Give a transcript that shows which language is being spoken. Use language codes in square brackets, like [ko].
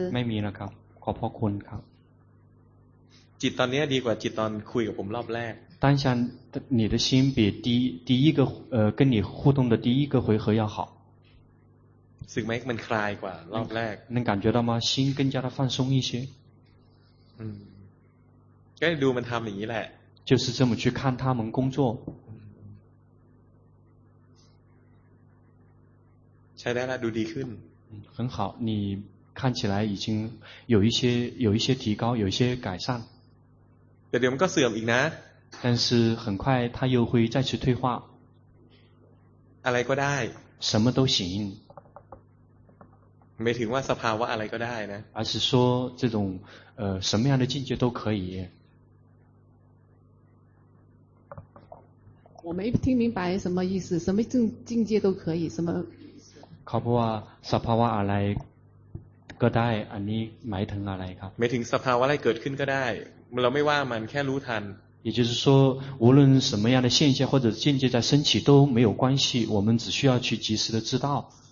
[th] ไม่มีแล้วครับขอบพระคุณครับ จิตตอนนี้ดีกว่าจิตตอนคุยกับผมรอบแรก [zh] 当下你的心比第一个跟你互动的第一个回合要好 [th] สึกไหมมันคลายกว่ารอบแรก [zh] 能感觉到吗心更加的放松一些 [th] ก็ดูมันทำอย่างนี้แหละ [zh] 就是这么去看他们工作 [th] ใช้ได้แล้วดูดีขึ้น [zh] 很好你看起来已经有一些提高有一些改善 [th] แต่เดี๋ยวมันก็เสื่อมอีกนะ [zh] 但是很快它又会再次退化 [th] อะไรก็ได้ [zh] 什么都行没听过 [th] สภาวะอะไรก็ได้นะ [zh] 而是说这种什么样的境界都可以我没听明白什么意思什么境界都可以什么 [th] 考不啊สภาวะอะไรก็ได้อันนี้หมายถึงอะไรครับ [zh] 没听 [th] สภาวะอะไรเกิดขึ้นก็ได้เราไม่ว่ามันแค่รู้ทัน [zh] 也就是说无论什么样的现象或者境界在升起都没有关系我们只需要去及时的知道